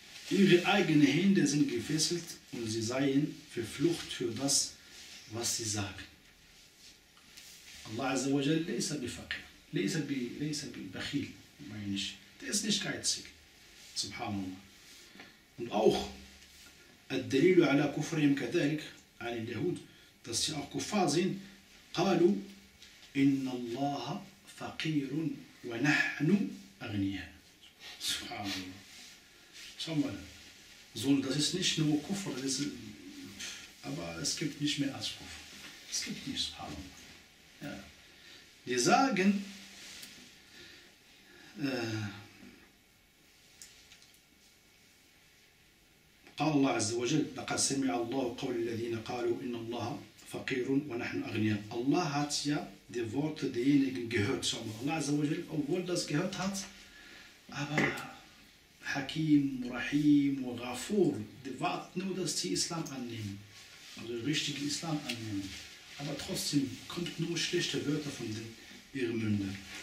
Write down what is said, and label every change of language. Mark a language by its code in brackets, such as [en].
[de] Ihre eigenen Hände sind gefesselt und sie seien verflucht für das, was sie sagen. Allah Azza wa Jalla ist ein Bifakir, ist ein Bachil, meine ich. Der ist nicht geizig, subhanallah. Und auch, [ar] الدليل على كفرهم كذلك, an اليهود, [de] dass sie auch Kuffar sind, [ar] قالوا, إن الله فقير ونحن أغنياء. [de] Subhanallah. Schau mal, so, das ist nicht nur Kuffar, aber es gibt nicht mehr als Kuffar. Es gibt nicht, subhanallah. Ja. Die sagen, [ar] قال الله عز وجل لقد سمع الله قول الذين قالوا إن الله فقير ونحن أغنياء. [de] Allah hat ja die Worte derjenigen gehört. Schau mal, Allah عز وجل, obwohl das gehört hat, aber Hakim, Rahim und Ghafur, die warten nur, dass sie Islam annehmen, also richtigen Islam annehmen. Aber trotzdem kommt nur schlechte Wörter von ihren Münden.